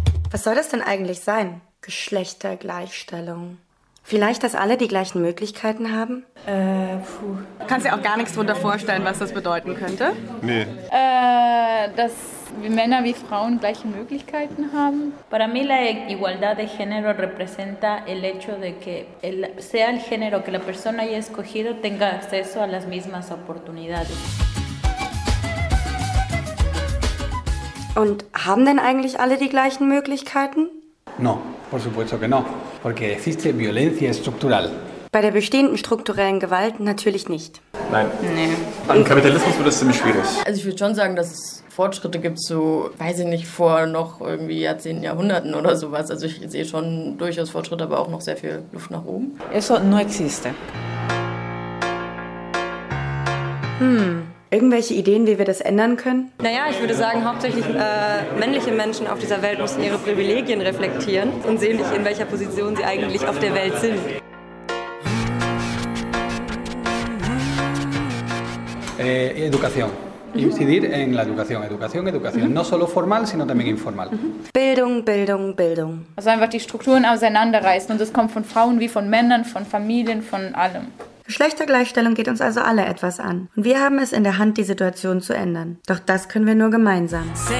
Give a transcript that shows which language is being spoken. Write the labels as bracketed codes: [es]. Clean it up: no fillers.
[de] Was soll das denn eigentlich sein, Geschlechtergleichstellung? Vielleicht, dass alle die gleichen Möglichkeiten haben? Kannst dir auch gar nichts drunter vorstellen, was das bedeuten könnte? Nee. Dass wie Männer wie Frauen gleiche Möglichkeiten haben? [es] Para mí la igualdad de género representa el hecho de que sea el género que la persona haya escogido tenga acceso a las mismas oportunidades. [de] Und haben denn eigentlich alle die gleichen Möglichkeiten? [es] No, por supuesto que no. Porque existe violencia estructural. [de] Bei der bestehenden strukturellen Gewalt natürlich nicht. Nein. Nee. Im Kapitalismus wird das ziemlich schwierig. Also ich würde schon sagen, dass es Fortschritte gibt, so, weiß ich nicht, vor noch irgendwie Jahrzehnten, Jahrhunderten oder sowas. Also ich sehe schon durchaus Fortschritte, aber auch noch sehr viel Luft nach oben. [es] Eso no existe. [de] Irgendwelche Ideen, wie wir das ändern können? Naja, ich würde sagen, hauptsächlich männliche Menschen auf dieser Welt müssen ihre Privilegien reflektieren und sehen nicht, in welcher Position sie eigentlich auf der Welt sind. [en] Education. [es] Incidir en la educación, educación, educación. No solo formal, sino también informal. [de] Bildung, Bildung, Bildung. Also einfach die Strukturen auseinanderreißen und das kommt von Frauen wie von Männern, von Familien, von allem. Geschlechtergleichstellung geht uns also alle etwas an. Und wir haben es in der Hand, die Situation zu ändern. Doch das können wir nur gemeinsam.